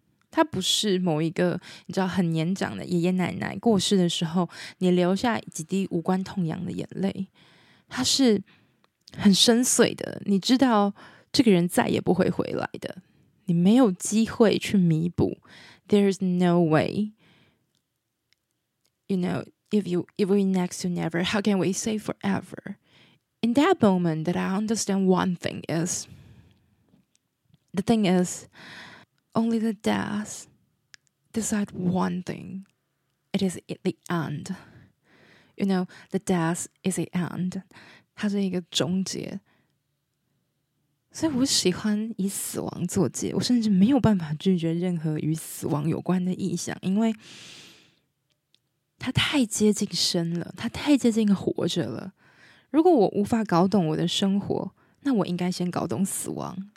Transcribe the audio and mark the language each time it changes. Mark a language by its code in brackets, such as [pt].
[zh] 它不是某一个你知道很年长的爷爷奶奶过世的时候，你留下几滴无关痛痒的眼泪，它是很深邃的。你知道这个人再也不会回来的，你没有机会去弥补。 [en] There's no way. You know. If we next to never, how can we say forever? In that moment that I understand one thing is, the thing is, only the death decide one thing. It is the end. You know, the death is the end. [zh] 它是一个终结。所以我喜欢以死亡作结，我甚至没有办法拒绝任何与死亡有关的意象，因为他太接近生了，他太接近活着了。如果我无法搞懂我的生活，那我应该先搞懂死亡。